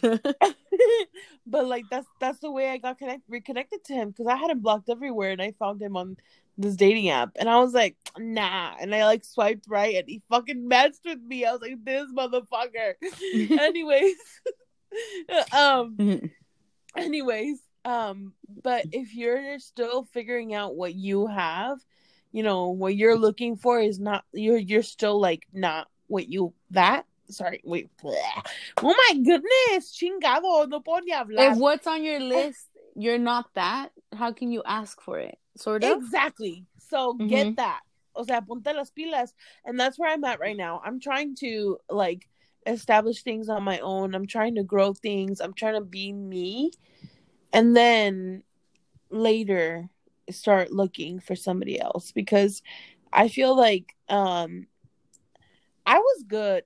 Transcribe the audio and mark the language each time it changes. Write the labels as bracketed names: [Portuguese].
[English] But like that's the way I got reconnected to him, because I had him blocked everywhere and I found him on this dating app and I was like, nah, and I like swiped right and he fucking matched with me. I was like, this motherfucker. anyways, but if you're still figuring out what you have, you know, what you're looking for is not, you're still like not what you, that, sorry, wait, bleh. Oh my goodness, [Spanish] chingado, no puedo ni hablar. [English] If what's on your list, you're not that, how can you ask for it, sort of? Exactly, so mm-hmm. Get that, [Spanish] o sea, ponte las pilas, [English] and that's where I'm at right now. I'm trying to, like, establish things on my own, I'm trying to grow things, I'm trying to be me, and then later start looking for somebody else, because I feel like, I was good.